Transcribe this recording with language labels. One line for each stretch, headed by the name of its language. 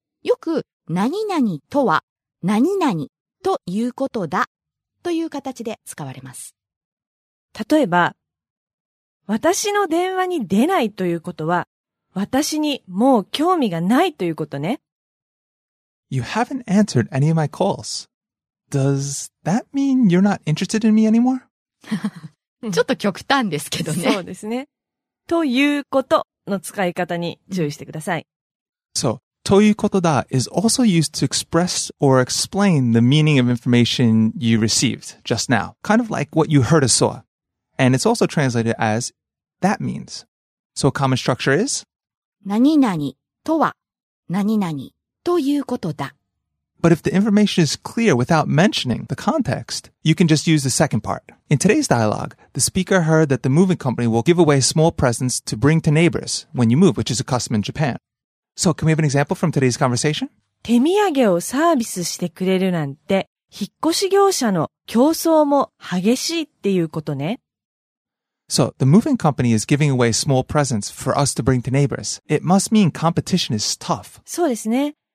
Japanese: よく何々とは何々ということだという形で使われます。例えば、私の電話に出ないということは私にもう興味がないということね。
English: You haven't answered any of my calls. Does that mean you're not interested in me anymore?
Japanese: ちょっと極端ですけどね。そうですね。ということの使い方に注意してください。
English: So,
Japanese: ということだ
English: is also used to express or explain the meaning of information you received just now. Kind of like what you heard or saw. And it's also translated as that means. So, a common structure is
Japanese: 何々とは何々ということだ。
English: But if the information is clear without mentioning the context, you can just use the second part. In today's dialogue, the speaker heard that the moving company will give away small presents to bring to neighbors when you move, which is a custom in Japan. So can we have an example from today's conversation?
Japanese: 手土産をサービスしてくれるなんて、引っ越し業者の競争も激しいっていうことね。
English: So, the moving company is giving away small presents for us to bring to neighbors. It must mean competition is tough.
Japanese: そうですね。